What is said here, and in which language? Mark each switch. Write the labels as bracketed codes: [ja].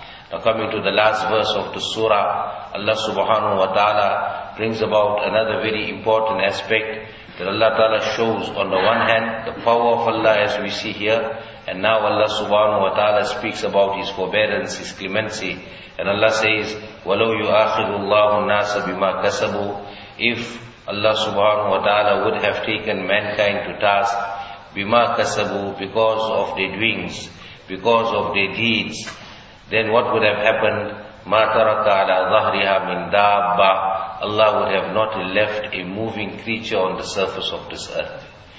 [en] Now coming to the last verse of the surah, Allah subhanahu wa ta'ala brings about another very important aspect that Allah ta'ala shows on the one hand the power of Allah as we see here, And now Allah subhanahu wa ta'ala speaks about His forbearance, His clemency. And Allah says, [ar] وَلَوْ يُؤَاخِذُ اللَّهُ النَّاسَ بِمَا كَسَبُوا. [en] If Allah subhanahu wa ta'ala would have taken mankind to task, [ar] بِمَا كَسَبُوا, [en] because of their doings, because of their deeds, then what would have happened? [ar] مَا تَرَكَ عَلَى ظَهْرِهَا مِنْ دَابَّةٍ. [en] Allah would have not left a moving creature on the surface of this earth.